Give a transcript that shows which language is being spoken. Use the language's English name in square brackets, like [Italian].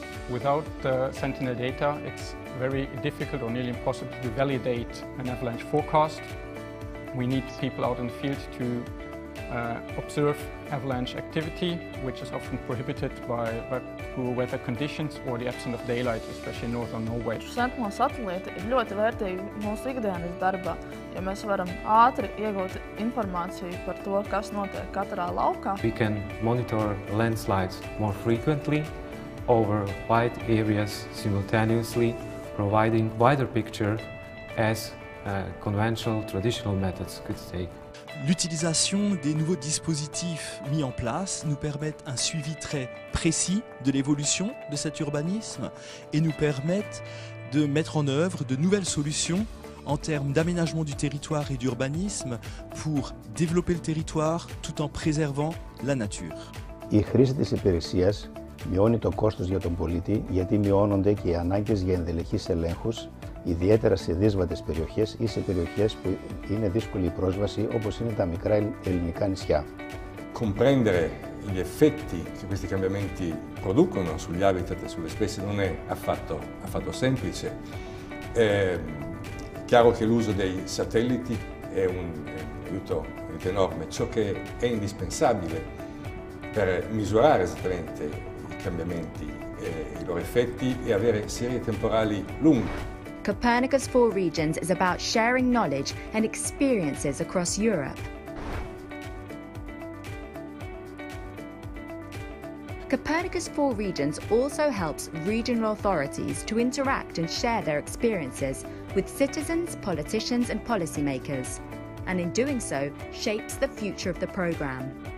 [English] Without Sentinel data, it's very difficult or nearly impossible to validate an avalanche forecast. We need people out in the field to observe avalanche activity, which is often prohibited by poor weather conditions or the absence of daylight, especially in northern Norway. [Latvian] Sentinel satellite ir ļoti vērtīgi mūsu ikdienas darbā, jo mēs varam ātri iegūt informāciju par to, kas notiek katrā laukā. [English] We can monitor landslides more frequently over wide areas simultaneously, providing wider picture as conventional traditional methods could take. [French] L'utilisation des nouveaux dispositifs mis en place nous permet un suivi très précis de l'évolution de cet urbanisme et nous permet de mettre en œuvre de nouvelles solutions en termes d'aménagement du territoire et d'urbanisme pour développer le territoire tout en préservant la nature. [Greek] Η χρήση της υπηρεσίας μειώνει το κόστος για τον πολίτη γιατί μειώνονται και οι ανάγκες για ενδελεχείς ελέγχους ιδιαίτερα σε δύσβατες περιοχές ή σε περιοχές που είναι δύσκολη η πρόσβαση, όπως είναι τα μικρά ελληνικά νησιά. [Italian] Comprendere gli effetti che questi cambiamenti producono sugli habitat e sulle specie non è affatto semplice. È chiaro che l'uso dei satelliti è un aiuto enorme. Ciò che è indispensabile per misurare esattamente i cambiamenti e i loro effetti è avere serie temporali lunghe. [English] Copernicus for Regions is about sharing knowledge and experiences across Europe. Copernicus for Regions also helps regional authorities to interact and share their experiences with citizens, politicians, and policymakers, and in doing so, shapes the future of the program.